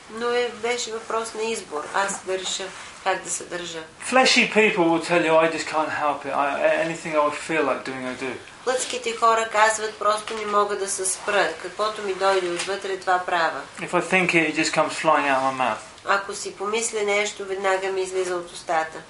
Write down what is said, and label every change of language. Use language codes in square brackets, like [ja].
[bg] Но беше въпрос на избор. Аз да реша как да се държа. [en] Fleshy people will tell you, I just can't help it. Anything I would feel like doing, I do. [bg] Плътските хора казват, просто не мога да се спра. Каквото ми дойде отвътре, това права. [en] If I think it, it just comes flying out of my mouth. [bg] Ако си помисля нещо, веднага ми излиза от устата.